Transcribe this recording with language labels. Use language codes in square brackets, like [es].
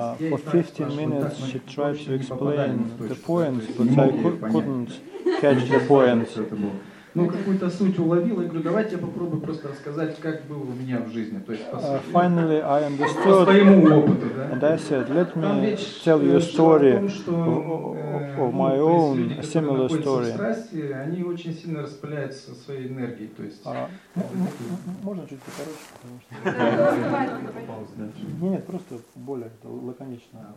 [en] For 15 minutes she tried to explain the points, but I couldn't catch the points. [ru] Ну, какую-то суть уловил, и говорю, давайте я попробую просто рассказать, как было у меня в жизни. То есть, [en] finally, I understood, [ru] по своему опыту, да? [en] And I said, let me tell you a story of my own, a similar story. [ru] Страсти, они очень сильно распыляются своей энергией, то есть... Можно чуть покороче, потому что... Нет, просто более лаконично.